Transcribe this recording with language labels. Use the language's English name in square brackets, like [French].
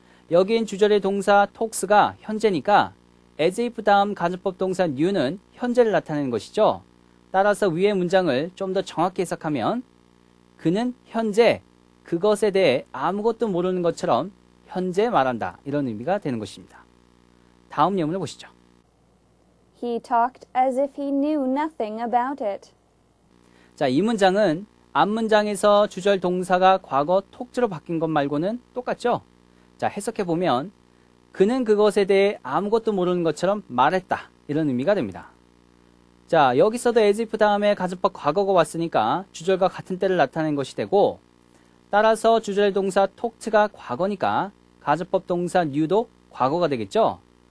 [Korean] 여긴 주절의 동사 talks가 현재니까 as if 다음 가정법 동사 new는 현재를 나타내는 것이죠. 따라서 위의 문장을 좀 더 정확히 해석하면 그는 현재 그것에 대해 아무것도 모르는 것처럼 현재 말한다 이런 의미가 되는 것입니다. 다음 예문을 보시죠. [English] He talked as if he knew nothing about it. [Korean] 자, 이 문장은 앞 문장에서 주절 동사가 과거 talks로 바뀐 것 말고는 똑같죠? 자, 해석해 보면 그는 그것에 대해 아무것도 모르는 것처럼 말했다 이런 의미가 됩니다. 자, 여기서도 as if 다음에 가정법 과거가 왔으니까 주절과 같은 때를 나타낸 것이 되고 따라서 주절 동사 talked가 과거니까 가정법 동사 new도 과거가 되겠죠?